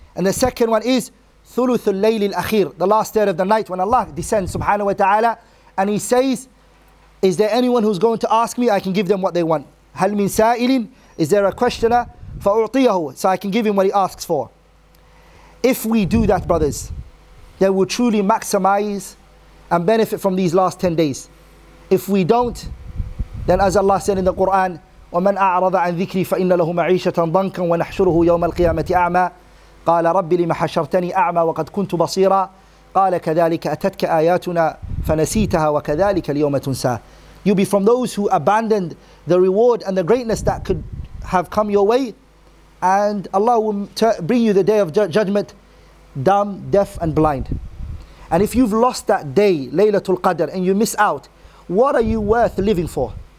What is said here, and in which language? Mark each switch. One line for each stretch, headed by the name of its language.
English: And the second one is
Arabic: ثلث الليل الأخير,
English: the last third of the night, when Allah descends subhanahu wa ta'ala and He says, is there anyone who's going to ask me? I can give them what they want.
Arabic: هل من سائل?
English: Is there a questioner? فَأُعْطِيَهُ. So I can give him what he asks for. If we do that, brothers, then we'll truly maximize and benefit from these last 10 days. If we don't, then as Allah said in the Quran,
Arabic: وَمَنْ أَعْرَضَ عَنْ ذِكْرِي فَإِنَّ لَهُ مَعِيشَةً ضَنْكًا وَنَحْشُرُهُ يَوْمَ الْقِيَامَةِ أَعْمَى قَالَ رَبِّ لِمَ حَشَرْتَنِي أَعْمَى وَقَدْ كُنْتُ بَصِيرًا قَالَ كَذَلِكَ أَتَتْكَ آيَاتُنَا فَنَسِيتَهَا وَكَذَلِكَ الْيَوْمَ تُنْسَى.
English: You'll be from those who abandoned the reward and the greatness that could have come your way, and Allah will bring you the day of judgment dumb, deaf and blind. And if you've lost that day, Laylatul Qadr, and you miss out, what are you worth living for?